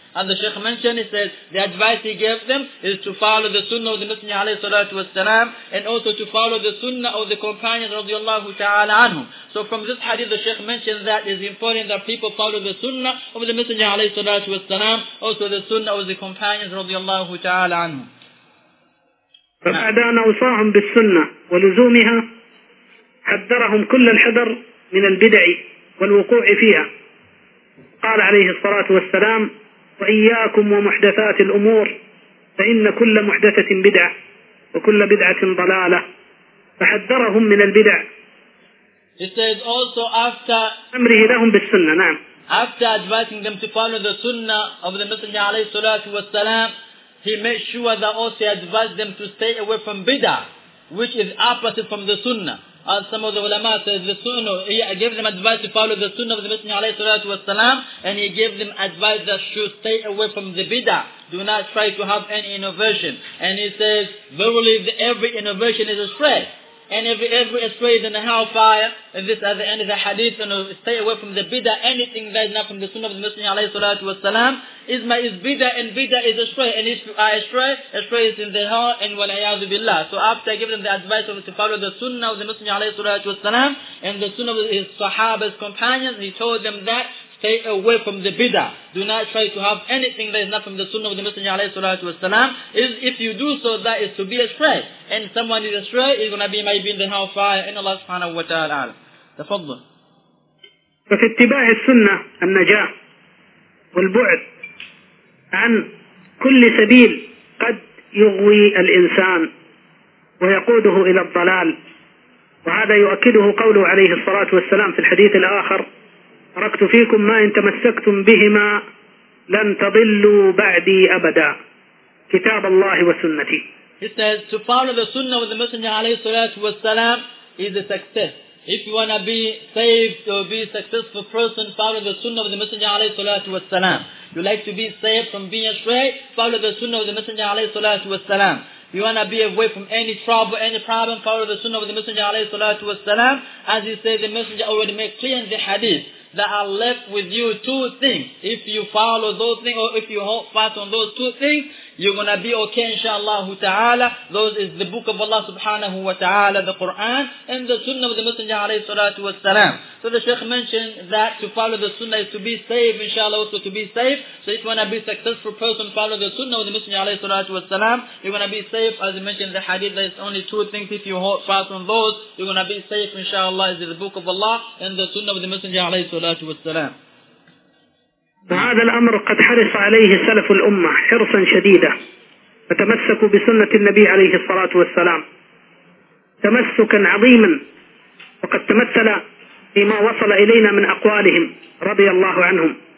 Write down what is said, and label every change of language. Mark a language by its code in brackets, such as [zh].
[en] And the Shaykh mentioned, he said, the advice he gave them is to follow the sunnah of the Messenger alayhi salatu wasalam, and also to follow the sunnah of the companions radiallahu ta'ala anhum. So from this hadith, the Shaykh mentioned that it's important that people follow the sunnah of the Messenger alayhi salatu wasalam, also the sunnah of the companions radiallahu ta'ala anhum. [ar] فبعد أن أوصاهم بالسنة ولزومها حذرهم كل الحذر من البدع والوقوع فيها. قال عليه الصلاة والسلام وإياكم ومحدثات الأمور فإن كل محدثة بدعة وكل بدعة ضلالة فحذرهم من البدع. [en] He says also after [ar] أمره لهم بالسنة. نعم. [en] After advising them to follow the sunnah of the Messenger عليه الصلاة والسلام, he made sure that also he advised them to stay away from bid'ah, which is opposite from the sunnah. As some of the ulama says, the sunnah, he gave them advice to follow the sunnah of the Messenger, and he gave them advice that should stay away from the bid'ah. Do not try to have any innovation. And he says, verily, every innovation is a stray. And every stray is in the hellfire. And this at the end of the hadith, you know, stay away from the bid'ah. Anything that is not from the sunnah of the Messenger, is bid'ah, and bid'ah is astray. And if you are astray, astray is in the hell, and wal'ayyadu billah. So after giving them the advice of to follow the sunnah of the Messenger, and the sunnah of his sahaba's companions, he told them that, stay away from the bid'ah. Do not try to have anything that is not from the sunnah of the Messenger, if you do so, that is to be astray. And someone is astray, he's going to be maybe in the hellfire, and Allah subhanahu wa ta'ala. [ar] تفضل. ففي اتباع السنة النجاة والبعد عن كل سبيل قد يغوي الإنسان ويقوده إلى الضلال. وهذا يؤكده قوله عليه الصلاة والسلام في الحديث الآخر, تركت فيكم ما إن تمسكتم بهما لن تضلوا بعدي أبدا, كتاب الله وسنتي. [en] He says to follow the sunnah of the Messenger عليه الصلاة والسلام is a success. If you want to be saved or be a successful person, follow the sunnah of the Messenger alayhi salatu wasalam. You like to be saved from being astray, follow the sunnah of the Messenger alayhi salatu wasalam. You want to be away from any trouble, any problem, follow the sunnah of the Messenger alayhi salatu wasalam. As he said, the Messenger already made clear in the hadith that are left with you two things. If you follow those things, or if you hold fast on those two things, you're going to be okay, inshallah ta'ala. Those is the book of Allah subhanahu wa ta'ala, the Quran, and the sunnah of the Messenger alayhi salatu wasalam. So the Shaykh mentioned that to follow the sunnah is to be safe, inshallah, also to be safe. So if you want to be a successful person, follow the sunnah of the Messenger alayhi salatu wasalam. You're going to be safe, as you mentioned in the hadith, there's only two things. If you hold fast on those, you're going to be safe, inshallah, is the book of Allah and the sunnah of the Messenger alayhi salatu wasalam. [ar] فهذا الأمر قد حرص عليه سلف الأمة حرصا شديدا, فتمسكوا بسنة النبي عليه الصلاة والسلام تمسكا عظيما, وقد تمثل فيما وصل إلينا من أقوالهم رضي الله عنهم.